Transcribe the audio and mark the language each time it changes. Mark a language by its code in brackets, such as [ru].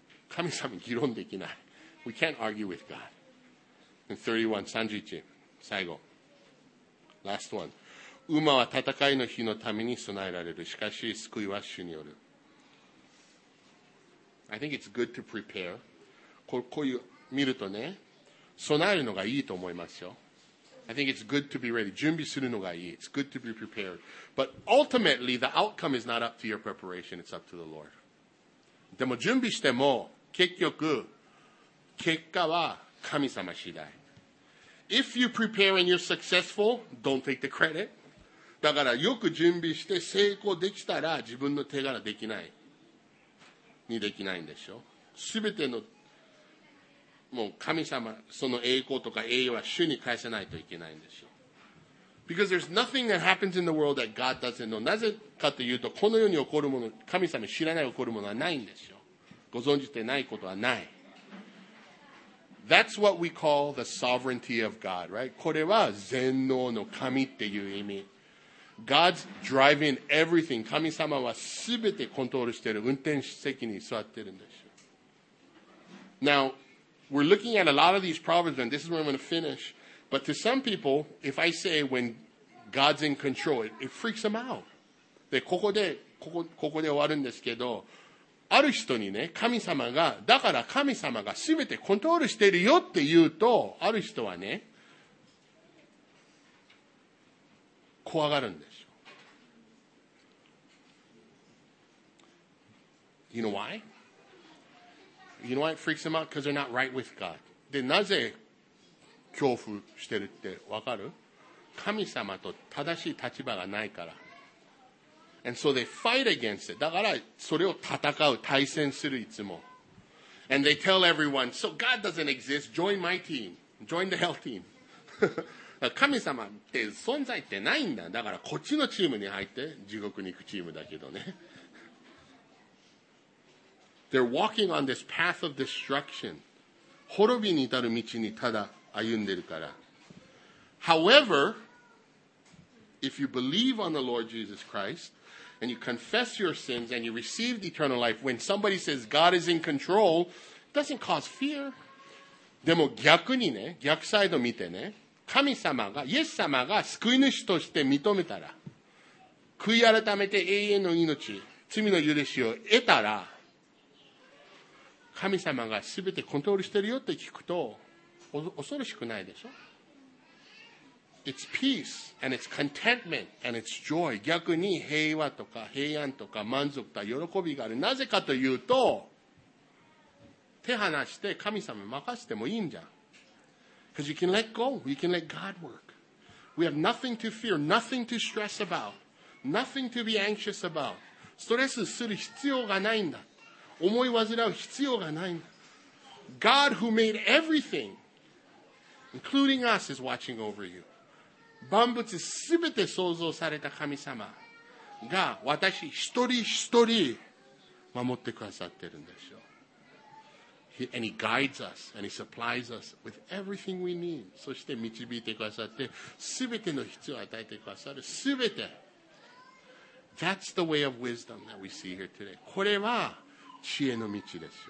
[ja] 神様議論できない。 [en] We can't argue with God. And 31, 31, [ja] 最後。 [en] Last one. [ja] 馬は戦いの日のために備えられる。しかし、救いは主による。 [en] I think it's good to prepare. [ja] こういう、見るとね、備えるのがいいと思いますよ。 [en] I think it's good to be ready. [ja] 準備するのがいい。 [en] It's good to be prepared. But ultimately, the outcome is not up to your preparation. It's up to the Lord. [ja] でも準備しても、結局、結果は神様次第。 [en] If you prepare and you're successful, don't take the credit. [ja] だからよく準備して成功できたら自分の手柄できない。にできないんでしょ。すべての、もう神様、その栄光とか栄誉は主に返せないといけないんでしょ。 [en] Because there's nothing that happens in the world that God doesn't know. [ja] なぜかというと、この世に起こるもの、神様知らない起こるものはないんでしょ。ご存じてないことはない。 [en] That's what we call the sovereignty of God, right? [ja] これは全能の神っていう意味。 [en] God's driving everything. [ja] 神様はすべてコントロールしてる。運転席に座ってるんですよ。 [en] Now, we're looking at a lot of these proverbs, and this is where I'm going to finish. But to some people, if I say when God's in control, it freaks them out. [ja] で、ここで終わるんですけど、ある人にね、神様が、だから神様が全てコントロールしているよって言うと、ある人はね、怖がるんですよ。 [en] You know why? You know why it freaks them out? Because they're not right with God. [ja] で、なぜ恐怖してるってわかる？神様と正しい立場がないから。 [en] And so they fight against it. [ja] だからそれを戦う、対戦するいつも。 [en] And they tell everyone, so God doesn't exist, join my team. Join the hell team. [ja] 神様って存在ってないんだ。だからこっちのチームに入って地獄に行くチームだけどね。 [en] They're walking on this path of destruction. [ja] 滅びに至る道にただ歩んでるから。 [en] However, if you believe on the Lord Jesus Christ and you confess your sins and you receive eternal life, when somebody says God is in control, it doesn't cause fear. [ja] でも逆にね、逆サイド見てね、神様が、イエス様が救い主として認めたら、悔い改めて永遠の命、罪の許しを得たら、神様が全てコントロールしてるよって聞くと、恐ろしくないでしょ。 [en] It's peace, and it's contentment, and it's joy. [ja] 逆に平和とか平安とか満足とか喜びがある。なぜかというと、手離して神様任せてもいいんじゃん。 [en] Because you can let go. You can let God work. We have nothing to fear, nothing to stress about, nothing to be anxious about. [ja] ストレスする必要がないんだ。思い煩う必要がないんだ。 [en] God who made everything, including us, is watching over you. [ja] 万物すべて創造された神様が私一人一人守ってくださってるんでしょう。 [en] And he guides us and he supplies us with everything we need. [ja] そして導いてくださってすべての必要を与えてくださるすべて。 [en] That's the way of wisdom that we see here today. [ja] これは知恵の道ですよ。